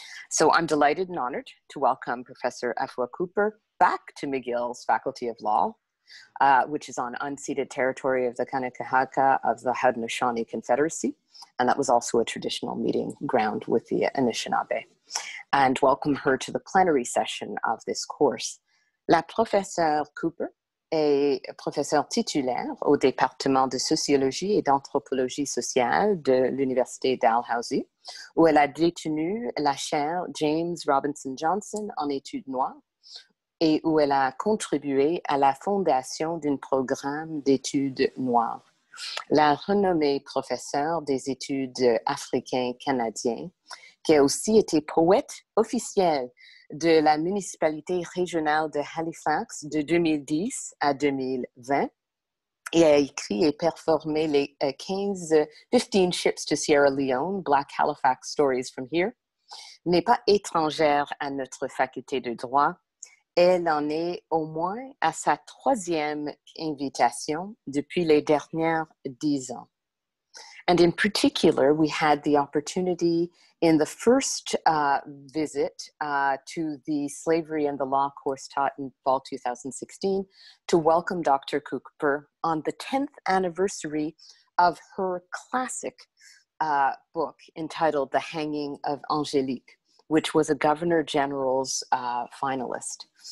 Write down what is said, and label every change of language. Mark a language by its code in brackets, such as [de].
[en] So I'm delighted and honored to welcome Professor Afua Cooper back to McGill's Faculty of Law, which is on unceded territory of the Kanakahaka of the Haudenosaunee Confederacy. And that was also a traditional meeting ground with the Anishinaabe. And welcome her to the plenary session of this course. [fr] La professeure Cooper est professeure titulaire au département de sociologie et d'anthropologie sociale de l'Université Dalhousie, où elle a détenu la chaire James Robinson Johnson en études noires, et où elle a contribué à la fondation d'un programme d'études noires. La renommée professeure des études africains-canadiens, qui a aussi été poète officielle de la municipalité régionale de Halifax de 2010 à 2020, et a écrit et performé les 15 Ships to Sierra Leone, Black Halifax Stories from Here, n'est pas étrangère à notre faculté de droit. Elle en est au moins à sa troisième invitation depuis les dernières 10 ans. [en] And in particular, we had the opportunity in the first visit to the Slavery and the Law course taught in fall 2016 to welcome Dr. Cooper on the 10th anniversary of her classic book entitled The Hanging of Angélique, which was a Governor General's finalist.